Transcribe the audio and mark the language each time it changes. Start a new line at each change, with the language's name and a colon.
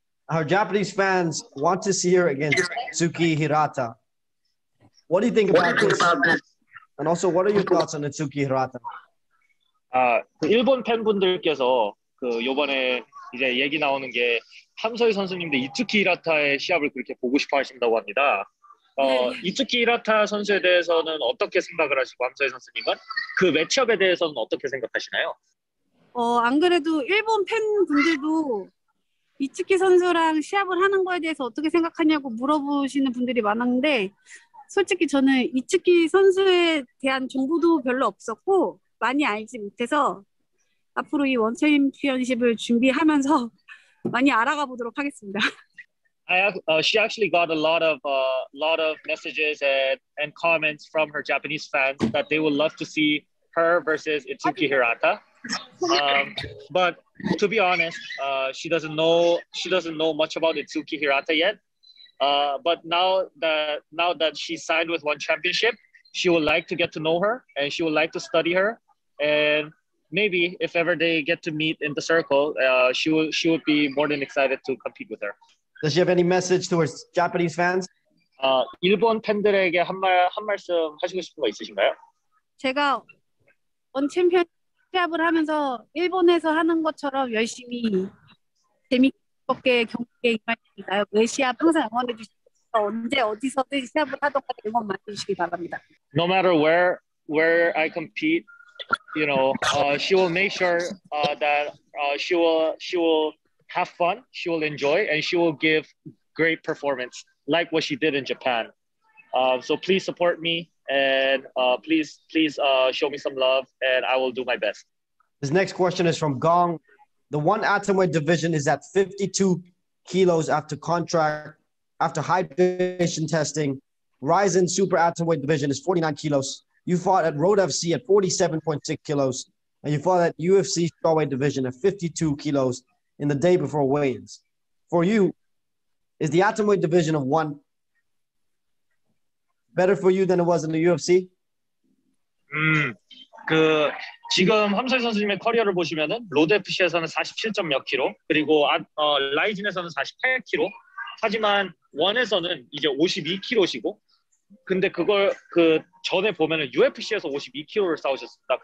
English: Her Japanese fans want to see her against Itsuki Hirata. What do you think about this? And also, what are your thoughts on Itsuki Hirata?
Korean: 일본 팬분들께서 그 이번에 이제 얘기 나오는 게 함서희 선수님도 이츠키 히라타의 시합을 그렇게 보고 싶어 하신다고 합니다. 이츠키 히라타 선수에 대해서는 어떻게 생각을 하시고 함서희 선수님은 그 매치업에 대해서는 어떻게 생각하시나요? 안 그래도 일본 팬분들도 이츠키 선수랑 시합을 하는 거에 대해서 어떻게 생각하냐고 물어보시는 분들이 많았는데 솔직히 저는 이츠키 선수에 대한 정보도 별로 없었고 많이 알지 못해서 앞으로 이 원 챔피언십을 준비하면서 많이 알아가 보도록 하겠습니다.
English: She actually got a lot of messages and comments from her Japanese fans that they would love to see her versus Itsuki Hirata. But to be honest, she doesn't know much about Itsuki Hirata yet. But now that she signed with One Championship, she would like to get to know her and she would like to study her. And maybe if ever they get to meet in the circle, she would be more than excited to compete with her. Does she have any message towards Japanese fans?
Korean: 일본 팬들에게 한 말씀 하시고 싶은 거 있으신가요? 제가 원 챔피언 시합을 하면서 일본에서 하는 것처럼 열심히 재미있게 경기에 임하겠습니다. 매 시합 항상 응원해 주시고 언제 어디서든 시합을 하던가 응원 많이 주시기 바랍니다.
English: No matter where I compete, you know, she will make sure that she will have fun, she will enjoy, and she will give great performance like what she did in Japan. So please support me and please show me some love and I will do my best. This next question is from Gong. The one atomweight division is at 52 kilos after hydration testing. Ryzen super atomweight division is 49 kilos. You fought at Road FC at 47.6 kilos, and you fought at UFC strawweight division at 52 kilos in the day before weigh-ins. For you, is the atomweight division of one better for you than it was in the UFC?
Korean: 그 지금 함서희 선수님의 커리어를 보시면은 로드 FC에서는 47. 몇 킬로, 그리고 라이진에서는 48 킬로. 하지만 원에서는 이제 52 킬로시고. 근데 그걸 그 전에 보면은 UFC에서 52 킬로를 싸우셨습니다.